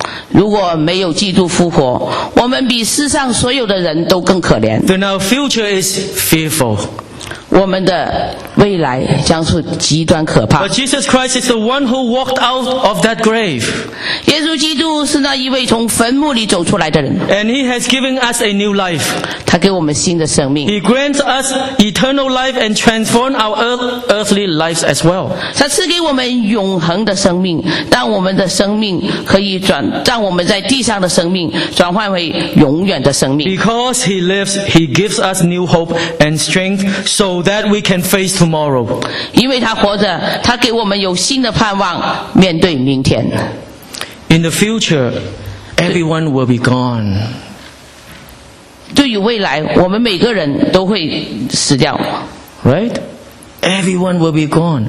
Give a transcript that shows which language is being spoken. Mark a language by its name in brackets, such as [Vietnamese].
[Chinese] 如果没有基督复活，我们比世上所有的人都更可怜。 [English] Then our future is fearful. [Chinese] 我们的未来将是极端可怕。 [English] But Jesus Christ is the one who walked out of that grave. [Chinese] 耶稣基督是那一位从坟墓里走出来的人。 [English] And he has given us a new life. [Chinese] 他给我们新的生命。 [English] He grants us eternal life and transforms our earthly lives as well. [Chinese] 他赐给我们永恒的生命，让我们的生命可以转，让我们在地上的生命转换为永远的生命。 [English] Because he lives, he gives us new hope and strength so that we can face tomorrow. [Chinese] 因为他活着，他给我们有新的盼望，面对明天。 [English] In the future, everyone will be gone. [Chinese] 对于未来，我们每个人都会死掉。 [English] Right? Everyone will be gone.